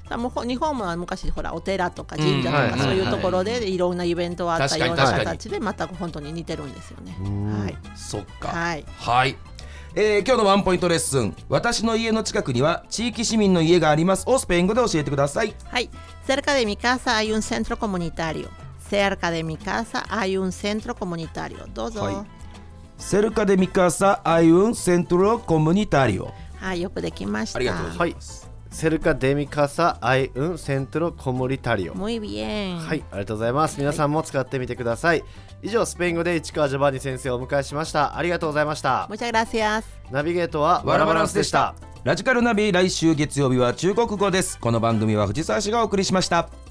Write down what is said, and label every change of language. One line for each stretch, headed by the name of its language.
Japanese: そうですね。日本も昔ほらお寺とか神社とか、うん、はい、そういうところで、はい、いろんなイベントがあったような形で、また本当に似てるんですよね。はい、そっか。はい、はい、今日のワンポイントレッスン、私の家の近くには地域市民の家がありますをスペイン語で教えてください。
Spanish: はい、 cerca de mi casa hay un centro comunitario. cerca de mi casa hay un centro comunitario.
Japanese: どうぞ。はい、
Spanish: cerca de mi casa hay un centro comunitario.
Japanese: はい、よくできました。ありがとうございます。
Spanish: はい、 cerca de mi casa hay un centro comunitario. muy bien。
Japanese: はい、ありがとうございます。皆さんも使ってみてください。以上、スペイン語で市川ジョバンニ先生をお迎えしました。ありがとうございました。
Spanish: Muchas gracias。
Japanese: ナビゲートはワラバランスでした。ラジカルナビ、来週月曜日は中国語です。この番組は藤沢氏がお送りしました。